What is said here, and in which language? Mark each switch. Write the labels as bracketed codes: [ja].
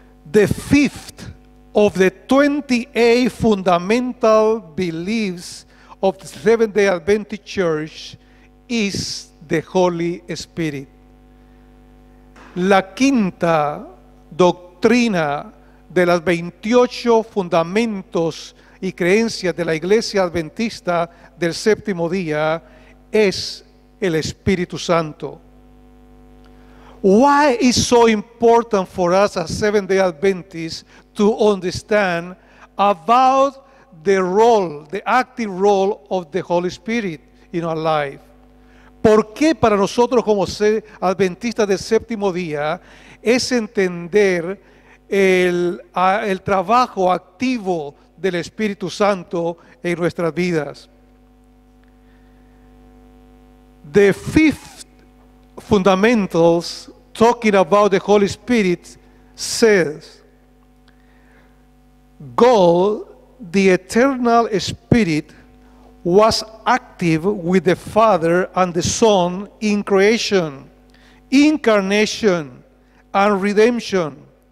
[en] The fifth of the 28 fundamental beliefs of the Seventh-day Adventist Church is the Holy Spirit. [es] La quinta doctrina de las 28 fundamentos y creencias de la Iglesia Adventista del séptimo día es el Espíritu Santo. [en] Why is so important for us as Seventh-day Adventists to understand about the role, the active role of the Holy Spirit in our life? [es] ¿Por qué para nosotros como Adventistas del séptimo día es entender el trabajo activo del Espíritu Santo en nuestras vidas? [en] The fifth fundamentals talking about the Holy Spirit says, God, the eternal Spirit, was active with the Father and the Son in creation, incarnation, and redemption.